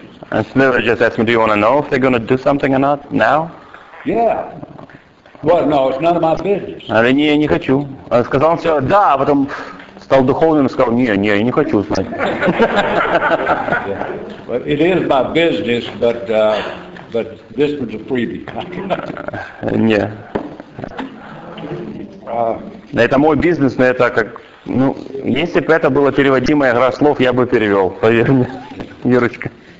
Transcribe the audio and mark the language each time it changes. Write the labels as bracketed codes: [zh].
[en] And Smithers just asked me, do you want to know if they're going to do something or not now? Yeah. Well, no, it's none of my business. [ru] Не, я не хочу. Сказал все, да, а потом стал духовным и сказал, не, я не хочу знать. [en] Well, it is my business, but this was a freebie. [ru] Не. Это мой бизнес, но это как... Ну, если бы это была переводимая игра слов, я бы перевел. Поверь мне, Верочка.